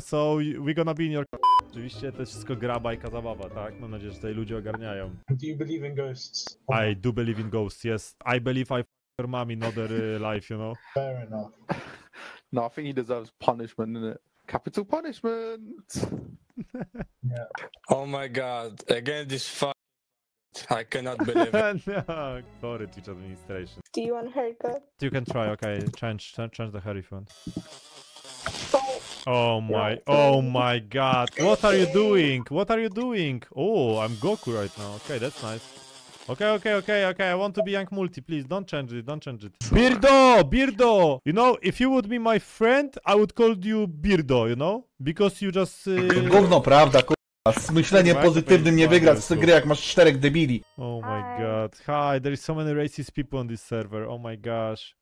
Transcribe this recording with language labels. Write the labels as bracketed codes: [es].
[en] So we're gonna be in your [pl] Oczywiście to jest wszystko gra, bajka, zabawa, tak? Mam nadzieję, że tutaj ludzie ogarniają. [en] Do you believe in ghosts? I do believe in ghosts, yes. I believe I f*** your mom in other life, you know? Fair enough. No, I think he deserves punishment, isn't it? Capital punishment! Yeah. Oh my god, again this I cannot believe it. No, sorry, teach administration. Do you want a haircut? You can try, okay. Change the hair if you want. Oh my god, what are you doing? What are you doing? Oh, I'm Goku right now. Okay, that's nice. Okay, I want to be young multi, please, don't change it. Birdo! You know, if you would be my friend, I would call you Birdo, you know? Because you just... [pl] Gówno, prawda, k***a. Z myśleniem pozytywnym nie wygrasz z gry, jak masz czterech debili. [en] Oh my god, hi, there is so many racist people on this server, oh my gosh.